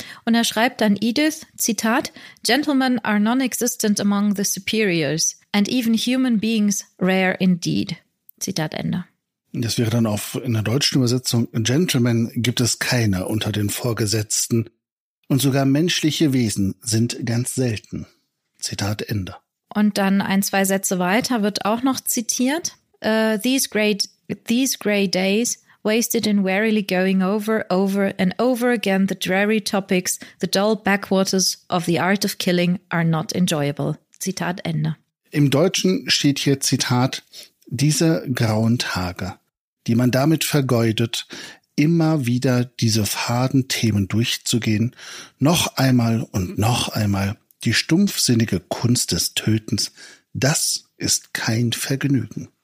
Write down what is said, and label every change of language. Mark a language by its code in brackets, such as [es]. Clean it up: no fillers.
[de] Und er schreibt dann Edith, Zitat, [en] Gentlemen are non-existent among the superiors and even human beings rare indeed. [de] Zitat Ende. Das wäre dann auch in der deutschen Übersetzung, Gentlemen gibt es keine unter den Vorgesetzten und sogar menschliche Wesen sind ganz selten. Zitat Ende. Und dann ein, zwei Sätze weiter wird auch noch zitiert. [en] These gray days wasted in warily going over and over again the dreary topics, the dull backwaters of the art of killing are not enjoyable. [de] Zitat Ende. Im Deutschen steht hier Zitat, diese grauen Tage, die man damit vergeudet, immer wieder diese faden Themen durchzugehen, noch einmal und noch einmal die stumpfsinnige Kunst des Tötens, das ist kein Vergnügen.